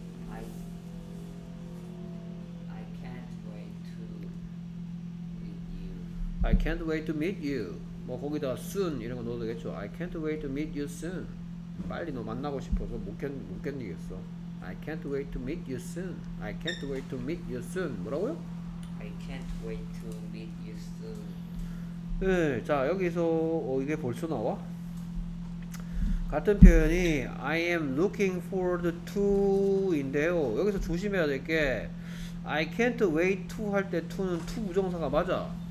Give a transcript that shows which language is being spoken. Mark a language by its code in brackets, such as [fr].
[en] I can't wait to meet you. I can't wait to meet you. [ko] 뭐 거기다가 soon 이런 거 넣어도 되겠죠. [en] I can't wait to meet you soon. [ko] 빨리 너 만나고 싶어서 못 견디겠어. [en] I can't wait to meet you soon. I can't wait to meet you soon. [ko] 뭐라고요? [en] I can't wait to meet you soon. [ko] 자, 여기서 이게 벌써 나와? 같은 표현이 [en] I am looking forward to [ko] 인데요. 여기서 조심해야 될 게, [en] I can't wait to [ko] 할때 to는 to 부정사가 맞아.